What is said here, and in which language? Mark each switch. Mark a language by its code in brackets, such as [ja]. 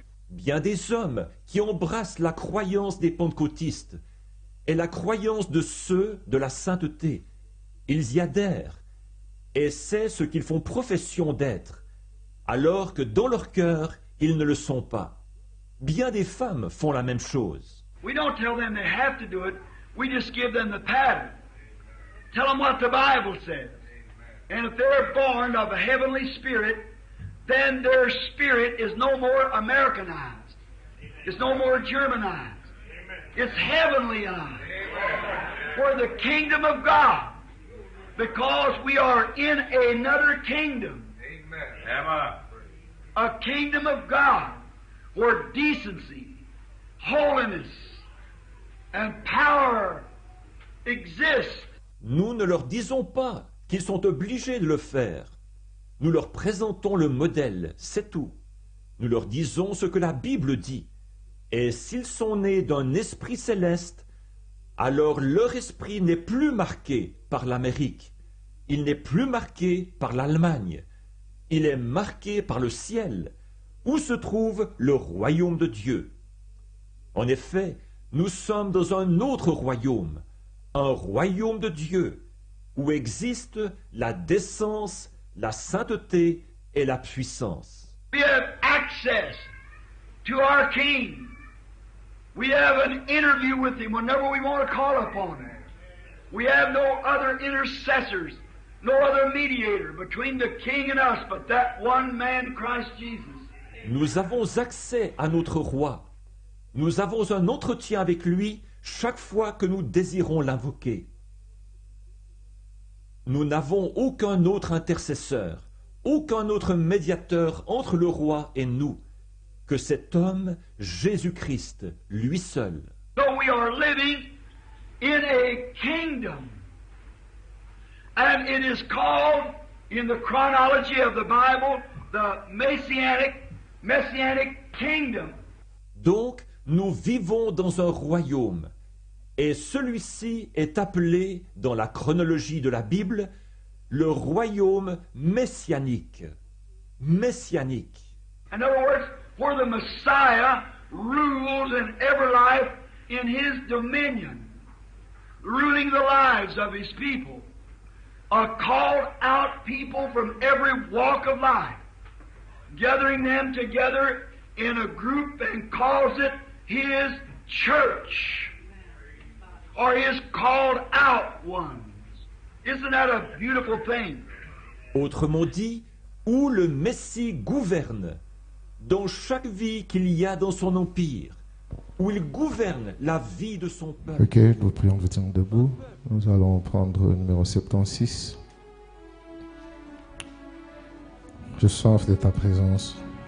[fr] Bien des hommes qui embrassent la croyance des pentecôtistes et la croyance de ceux de la sainteté. Ils y adhèrent et c'est ce qu'ils font profession d'être, alors que dans leur cœur, ils ne le sont pas. Bien des femmes font la même chose. [en] We don't tell them they have to do it. We just give them the pattern. Tell them what the Bible says. And if they're born of a heavenly spirit, then their spirit is no more Americanized. It's no more Germanized. It's heavenlyized. For the kingdom of God. Because we are in another kingdom. A kingdom of God where decency, holiness, and power exist. [fr] Nous ne leur disons pas qu'ils sont obligés de le faire. Nous leur présentons le modèle, c'est tout. Nous leur disons ce que la Bible dit. Et s'ils sont nés d'un esprit céleste, alors leur esprit n'est plus marqué par l'Amérique. Il n'est plus marqué par l'Allemagne. Il est marqué par le ciel, où se trouve le royaume de Dieu. En effet, Nous sommes dans un autre royaume, un royaume de Dieu, où existe la décence, la sainteté et la puissance. [en] We have access to our King. We have an interview with Him whenever we want to call upon Him. We have no other intercessors, no other mediator between the King and us, but that one man, Christ Jesus. [fr] Nous avons accès à notre roi. Nous avons un entretien avec lui chaque fois que nous désirons l'invoquer. Nous n'avons aucun autre intercesseur, aucun autre médiateur entre le roi et nous, que cet homme, Jésus-Christ, lui seul. [en] So we are living in a kingdom, and it is called, in the chronology of the Bible, the messianic kingdom. [fr] Donc, nous vivons dans un royaume, et celui-ci est appelé, dans la chronologie de la Bible, le royaume messianique. Messianique. [en] In other words, where the Messiah rules in every life in his dominion, ruling the lives of his people, a called out people from every walk of life, gathering them together in a group and calls it his church, or his called out ones. Isn't that a beautiful thing? [fr] Autrement dit, où le Messie gouverne, dans chaque vie qu'il y a dans son empire, où il gouverne la vie de son peuple. Ok, nous prions de tenir debout. Nous allons prendre le numéro 76. Je soif de ta présence.